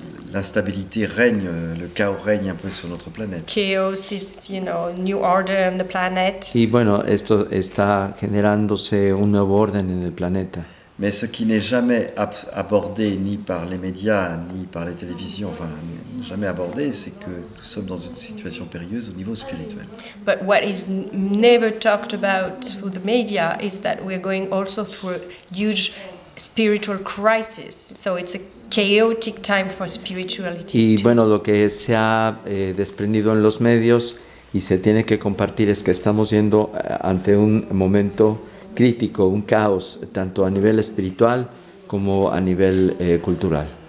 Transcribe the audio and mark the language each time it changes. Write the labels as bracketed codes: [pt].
[fr] L'instabilité règne, le chaos règne un peu sur notre planète. [en] Chaos is, you know, new order on the planet. [es] Y bueno, esto está generándose un nuevo orden en el planeta. [fr] Mais ce qui n'est jamais abordé ni par les médias, ni par les télévisions, enfin, jamais abordé, c'est que nous sommes dans une situation périlleuse au niveau spirituel. [en] But what is never talked about through the media is that we're going also through a huge spiritual crisis. So it's a chaotic time for spirituality. [es] Y bueno, lo que se ha desprendido en los medios y se tiene que compartir es que estamos yendo ante un momento crítico, un caos, tanto a nivel espiritual como a nivel cultural.